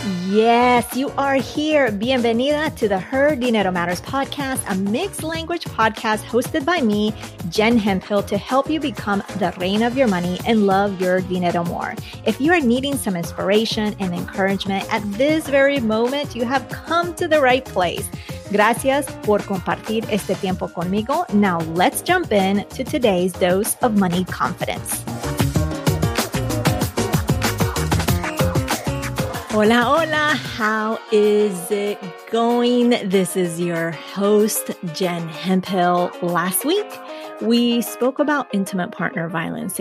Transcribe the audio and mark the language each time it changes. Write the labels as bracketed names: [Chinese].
[English] Yes, you are here. Bienvenida to the Her Dinero Matters podcast, a mixed language podcast hosted by me, Jen Hemphill, to help you become the reina of your money and love your dinero more. If you are needing some inspiration and encouragement at this very moment, you have come to the right place. [Spanish] Gracias por compartir este tiempo conmigo. [English] Now let's jump in to today's dose of money confidence. [Spanish] Hola, hola. [English] How is it going? This is your host, Jen Hemphill. Last week, we spoke about intimate partner violence.